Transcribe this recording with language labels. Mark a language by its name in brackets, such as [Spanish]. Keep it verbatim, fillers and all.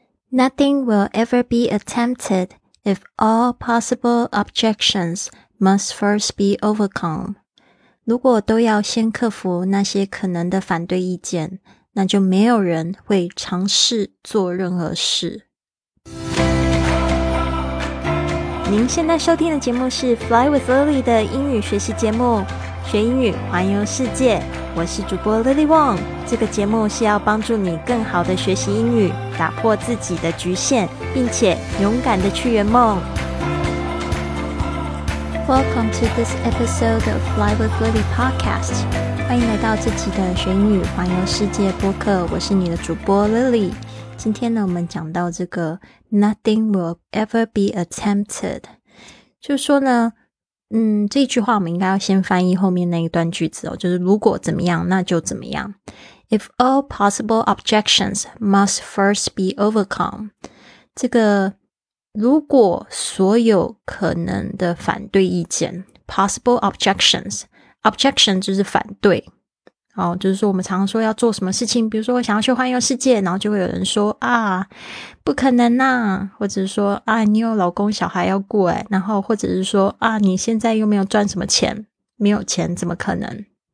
[English] Nothing will ever be attempted if all possible objections must first be overcome. [Chinese] 如果都要先克服那些可能的反对意见，那就没有人会尝试做任何事。您现在收听的节目是 Fly with Lily 的英语学习节目，学英语环游世界。我是主播 Lily Wong。这个节目是要帮助你更好的学习英语，打破自己的局限，并且勇敢的去圆梦。 [English] Welcome to this episode of Fly with Lily podcast. [Chinese] 欢迎来到这期的学英语环游世界播客，我是你的主播 Lily。今天呢，我们讲到这个 [English] Nothing will ever be attempted， [Chinese] 就是说呢嗯，这句话我们应该要先翻译后面那一段句子哦，就是如果怎么样，那就怎么样。 [English] If all possible objections must first be overcome， [Chinese] 这个如果所有可能的反对意见 [English] possible objections， objection [Chinese] 就是反对。好，就是说我们常常说要做什么事情，比如说我想要去环游世界，然后就会有人说啊不可能啊，或者是说啊你有老公小孩要顾哎，然后或者是说啊你现在又没有赚什么钱，没有钱怎么可能。